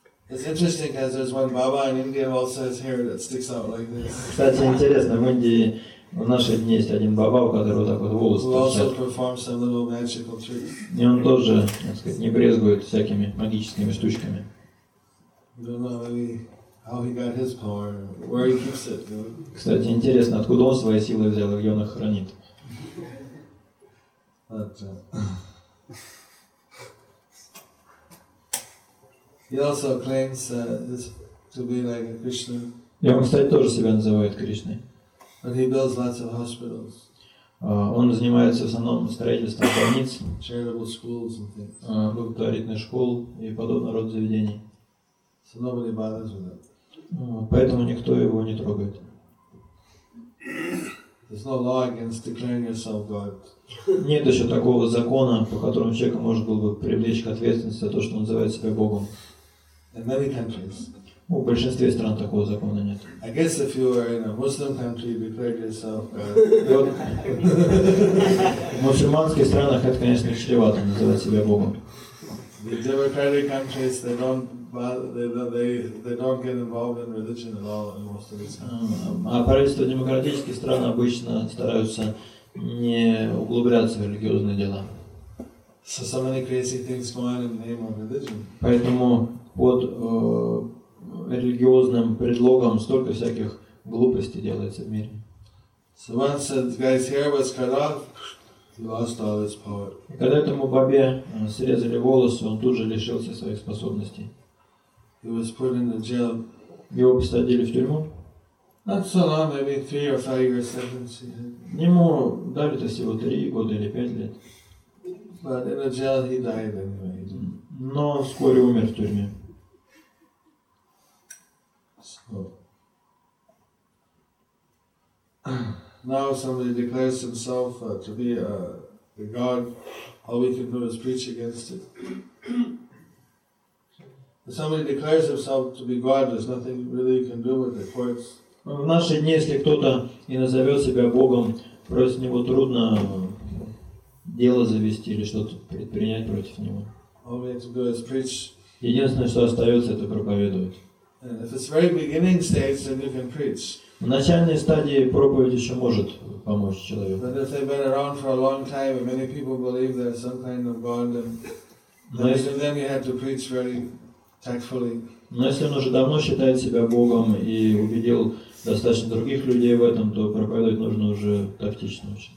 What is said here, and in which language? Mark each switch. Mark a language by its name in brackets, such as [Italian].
[Russian] Кстати, интересно, в Индии в наши дни есть один баба, у которого так вот волосы торчат. И он тоже, так сказать, не брезгует всякими магическими штучками. [English] How he got his power, where he keeps it, you know? [Russian] Кстати, интересно, откуда он свои силы взял и где он их хранит? [English] He also claims to be like a Krishna. [Russian] И он, кстати, тоже себя называет Кришной. [English] But he builds lots of hospitals. [Russian] Он занимается в основном строительством больниц, [English] charitable schools and things. [Russian] Благотворительных школ и подобного рода заведений. [English] So nobody bothers with that. [Russian] Поэтому никто его не трогает. [English] There's no law against declaring yourself God. [Russian] Нет еще такого закона, по которому человек может был бы привлечь к ответственности за то, что он называет себя Богом. [English] In many countries. [Russian] В большинстве стран такого закона нет. [English] I guess if you are in a Muslim country, you declared yourself God. [Russian] В мусульманских странах это, конечно, чревато называть себя Богом. [English] The democratic countries, they don't. They don't get involved in religion at all in most of these countries. [Russian] А правительства демократических стран обычно стараются не углубляться в религиозные дела. [English] So many crazy things go on in the name of religion. [Russian] Поэтому под религиозным предлогом столько всяких глупостей делается в мире. [English] So once the guy's hair was cut off, he lost all his power. [Russian] Когда этому бабе срезали волосы, он тут же лишился своих способностей. [English] He was put in the jail. [Russian] Его посадили в тюрьму. [English] Not so long, maybe 3 or 5 year sentence. [Russian] Ему дали то всего 3 года или 5 лет. [English] But in the jail he died anyway. [Russian] Но вскоре умер в тюрьме. [English] So. Now somebody declares himself to be the God. All we can do is preach against it. If somebody declares himself to be God, there's nothing really you can do with the courts. [Russian] В наши дни, если кто-то и назовет себя Богом, против него трудно дело завести или что-то предпринять против него. [English] All we have to do is preach. [Russian] Единственное, что остается, это проповедовать. [English] And if it's very beginning stage, then you can preach. [Russian] В начальной стадии проповедь еще может помочь человеку. [English] But if they've been around for a long time and many people believe there's some kind of God, then you have to preach very. [Russian] Но если он уже давно считает себя Богом и убедил достаточно других людей в этом, то проповедовать нужно уже тактично